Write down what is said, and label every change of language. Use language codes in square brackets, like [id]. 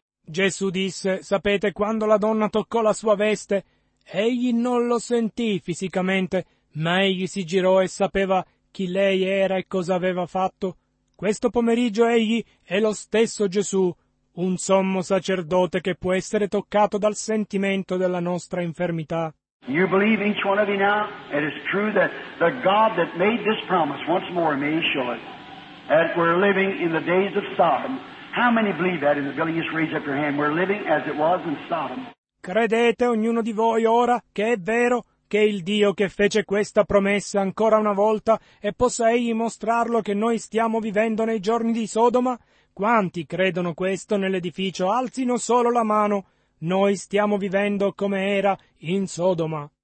[it] Gesù disse, sapete, quando la donna toccò la sua veste, egli non lo sentì fisicamente, ma egli si girò e sapeva chi lei era e cosa aveva fatto. Questo pomeriggio egli è lo stesso Gesù, un sommo sacerdote che può essere toccato dal sentimento della nostra infermità. [en] You believe each one of you now? It is true that the God that made this promise once more may show it. That we're living in the days of Sodom. How many believe that in the building? Just raise up your hand. We're living as it was in Sodom. [it] Credete ognuno di voi ora che è vero che il Dio che fece questa promessa ancora una volta e possa egli mostrarlo che noi stiamo vivendo nei giorni di Sodoma? Quanti credono questo nell'edificio? Alzino solo la mano. Noi stiamo vivendo come era in Sodoma.